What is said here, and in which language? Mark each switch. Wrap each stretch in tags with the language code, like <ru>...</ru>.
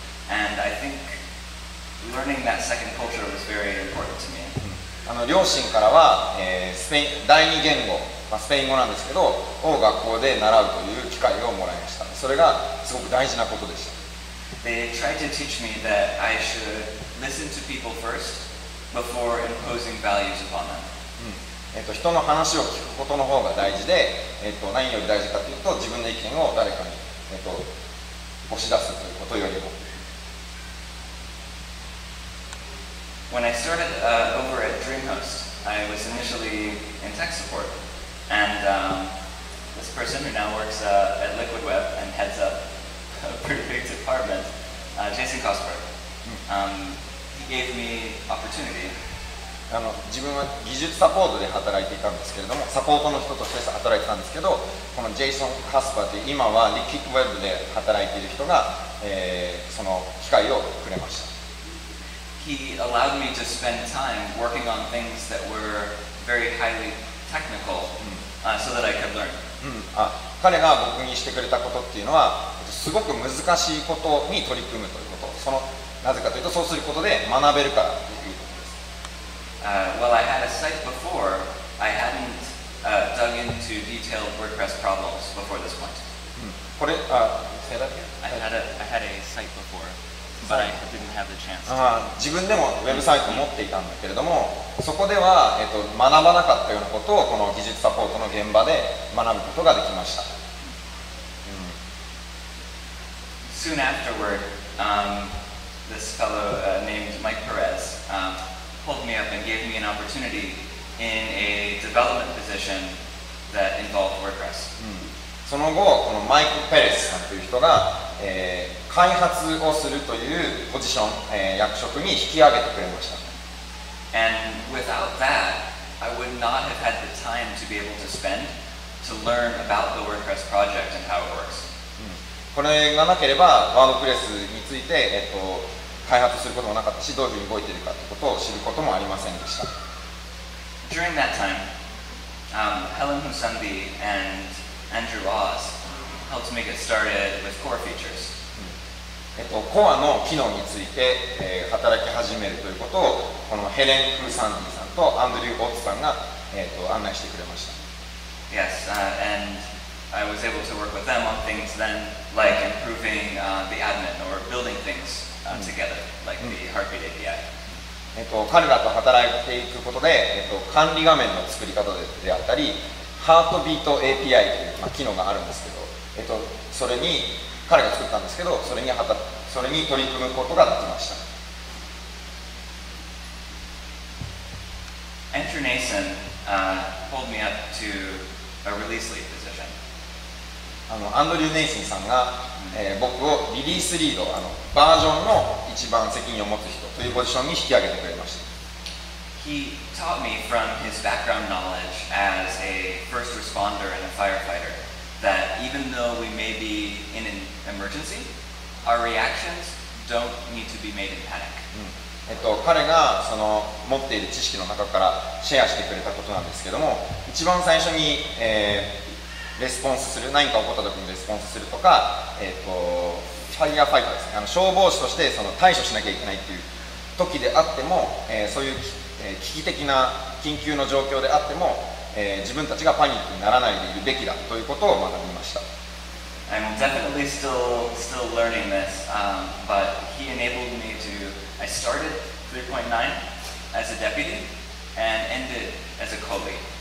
<en>And I think learning that second culture was very important to me.</en> <ja>両親からは、スペイン第二言語、まあ、スペイン語なんですけどを学校で習うという機会をもらいました。それがすごく大事なことでした。</ja> <en>They tried to teach me that I should listen to people first before imposing values upon them、</en> <ja>人の話を聞くことの方が大事で、何より大事かというと自分の意見を誰かに、押し出すということよりも。</ja> <en>When I started、over at DreamHost, I was initially in tech support. And、this person who now works、at LiquidWeb and heads up a pretty big department,、Jason Cosper,、he gave me opportunity.</en> <ja>自分は技術サポートで働いていたんですけれども、サポートの人として働いてたんですけど、この Jason Cosper という今は LiquidWeb で働いている人が、その機会をくれました。</ja> <en>He allowed me to spend time working on things that were very highly technical、so that I could learn.、</en> <ja>彼が僕にしてくれたことっていうのは、すごく難しいことに取り組むということ。その、なぜかというと、そうすることで学べるからということです。</ja> <en>Well, I had a site before. I hadn't、dug into detailed WordPress problems before this point.、</en> <ja>これ、あ、</ja> <en>say that again? I had a site before. But I didn't have the chance to.</en> <ja>自分でもウェブサイトを持っていたんだけれども、そこでは、学ばなかったようなことをこの技術サポートの現場で学ぶことができました。</ja> <en>Soon afterward, this fellow named Mike Perez pulled me up and gave me an opportunity in a development position that involved WordPress.、</en> <ja>その後、このマイク・ペレスさんという人が、開発をするというポジション、役職に引き上げてくれました。</ja> <en>And without that, I would not have had the time to be able to spend to learn about the WordPress project and how it works.</en> <ja>これがなければ、ワードプレスについて、開発することもなかったし、どういうふうに動いているかということを知ることもありませんでした。</ja> <en>During that time, Helen Husambi andAndrew Oz helped me get started with core features.</en> <ja>コアの機能について、働き始めるということをこのヘレン・フーサンディさんとアンドリュー・オッツさんが、案内してくれました。</ja> <en>Yes, and I was able to work with them on things then, like improving、the admin or building things、together, like the Heartbeat API.</en> <ja>彼らと働いていくことで、管理画面の作り方 であったり、ハートビート API という、機能があるんですけど、それに彼が作ったんですけど、それに取り組むことができました。</ja> <en>Andrew Nason pulled me up to a release lead position.</en> <ja>アンドリュー・ネイソンさんが、僕をリリースリード、バージョンの一番責任を持つ人というポジションに引き上げてくれました。</ja> <en>He taught me from his background knowledge as a first responder and a firefighter that even though we may be in an emergency, our reactions don't need to be made in panic.、</en> <ja>彼がその持っている知識の中からシェアしてくれたことなんですけども、一番最初に、レスポンスする、何か起こった時にレスポンスするとか、ファイアファイターですね、消防士としてその対処しなきゃいけないっていう時であっても、そういう危機的な緊急の状況であっても、自分たちがパニックにならないでいるべきだということを学びました。</ja> <en>I'm definitely still learning this,、but he enabled me to. I started 3.9 as a deputy and ended as a colleague.</en>